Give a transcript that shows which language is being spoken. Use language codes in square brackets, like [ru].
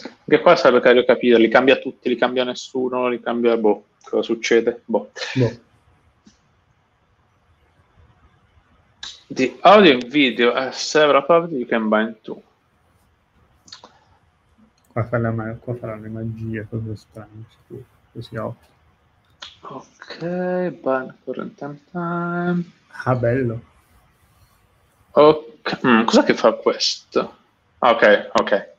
[it] Che qua sarebbe carino capire, li cambia tutti, li cambia nessuno, li cambia, boh, cosa succede? Boh. [en] The audio and video have several properties you can bind to. [it] Qua fa la magia, cose strane, così occhio. Ok, bind current time. Ah, bello. Okay. Cos'è che fa questo? Ok.